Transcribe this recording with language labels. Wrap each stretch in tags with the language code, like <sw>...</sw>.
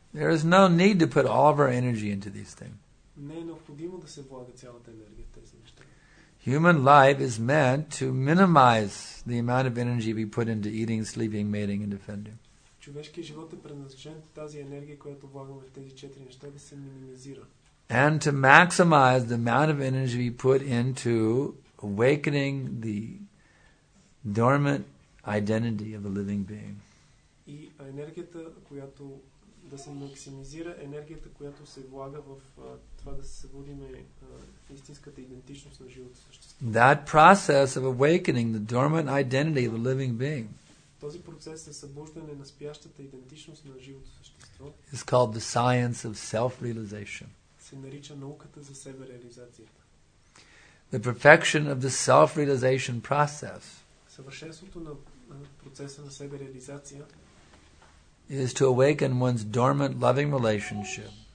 <en>There is no need to put all of our energy into these things.</en> <bg>Не е необходимо да се влага цялата енергия в тези неща.</bg> <en>Human life is meant to minimize the amount of energy we put into eating, sleeping, mating and defending.</en> <bg>Човешкият живот е предназначен тази енергия, която влагаме в тези четири неща, да се минимизира.</bg> <en>And to maximize the amount of energy we put into awakening the dormant identity of a living being.</en> <bg>И енергията, която да се максимизира, енергията, която се влага в това да се събудим истинската идентичност на живото същество.</bg> <en>That process of awakening the dormant identity of a living being.</en> <bg>Този процес на събуждане на спящата идентичност на живото същество.</bg> <en>Is called the science of self-realization.</en> <bg>Се нарича науката за себереализацията.</bg> <en>The perfection of the self-realization process.</en> <bg>Съвършенството на процеса на себереализация</bg> <en>is to awaken one's dormant loving relationship.</en>